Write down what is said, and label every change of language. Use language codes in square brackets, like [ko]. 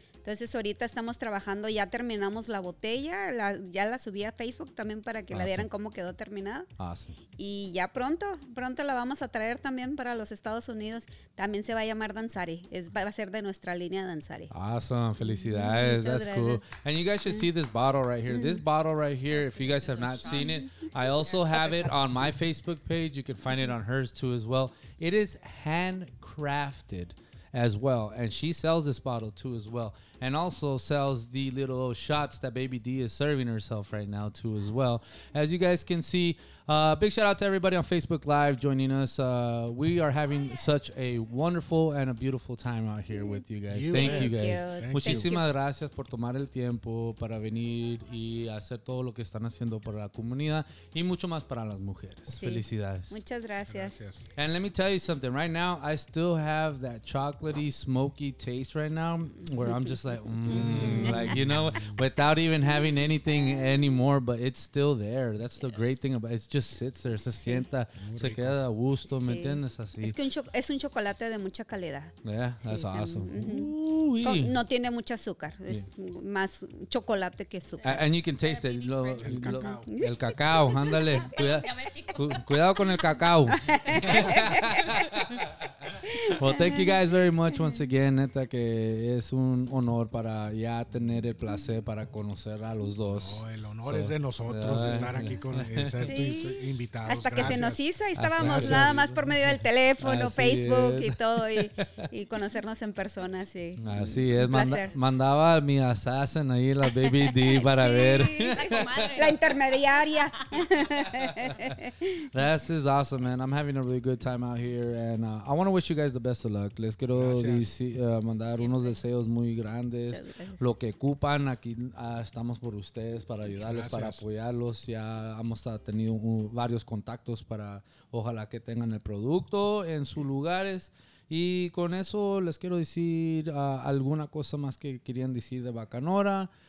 [es] Entonces ahorita estamos trabajando, ya terminamos la botella, la, ya la subí a Facebook también para que la vieran cómo quedó terminada. Y ya pronto, pronto la vamos a traer también para los Estados Unidos. También se va a llamar Danzari, es, va a ser de nuestra línea Danzari. [en] Awesome, felicidades, that's cool. And you guys should see this bottle right here. This bottle right here, if you guys have not seen it, I also have it on my Facebook page. You can find it on hers too as well. It is handcrafted as well, and she sells this bottle too as well, and also sells the little shots that Baby D is serving herself right now too as well. As you guys can see, big shout out to everybody on Facebook Live joining us. We are having such a wonderful and a beautiful time out here with you guys. Thank you guys. [es] Muchísimas gracias por tomar el tiempo para venir y hacer todo lo que están haciendo para la comunidad y mucho más para las mujeres. Sí. Felicidades. Muchas gracias. Gracias. [en] And let me tell you something. Right now, I still have that chocolatey, smoky taste right now where I'm just like, like, you know, without even having anything anymore, but it's still there. That's the great thing about it. It's just sits there, [es] se sienta, se queda a gusto, ¿me entiendes? Así. Es que un es un chocolate de mucha calidad. [en] Yeah, that's awesome. [es] No tiene mucho azúcar, es más chocolate que azúcar. [en] And you can taste it. [es] El cacao, ándale. Cuidado con el cacao. [en] Well, thank you guys very much once again. [es] Neta que es un honor para ya tener el placer para conocer a los dos. No, el honor es de nosotros estar aquí con ser invitados. Hasta gracias. Que se nos hizo y estábamos nada más por medio del teléfono, así Facebook es. Y todo y conocernos en persona. Sí. Así es, mandaba a mi assassin ahí, la Baby D, para ver. La intermediaria. [en] This is awesome, man. I'm having a really good time out here and I want to wish you guys the best of luck. [es] Les quiero mandar unos deseos muy grandes. Lo que ocupan, aquí estamos por ustedes para ayudarles, para apoyarlos. Ya hemos tenido varios contactos para ojalá que tengan el producto en sus lugares. Y con eso les quiero decir alguna cosa más que querían decir de Bacanora.